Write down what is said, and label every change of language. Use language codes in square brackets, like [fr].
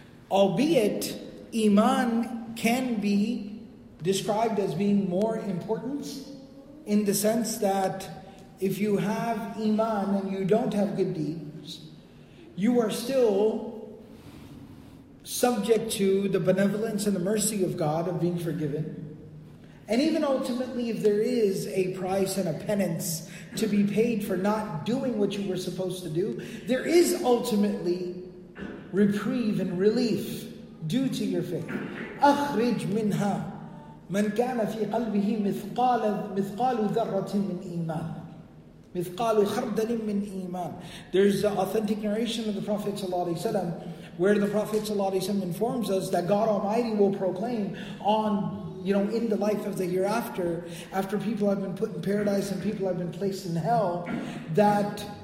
[en] Albeit, iman can be described as being more important in the sense that if you have iman and you don't have good deeds, you are still subject to the benevolence and the mercy of God of being forgiven. And even ultimately, if there is a price and a penance to be paid for not doing what you were supposed to do, there is ultimately reprieve and relief due to your faith. [ar] أخرج منها من كان في قلبه مثقال ذرة من إيمان مثقال خردل من إيمان. [en] There's the authentic narration of the Prophet ﷺ, where the Prophet ﷺ informs us that God Almighty will proclaim on, you know, in the life of the hereafter, after people have been put in paradise and people have been placed in hell, that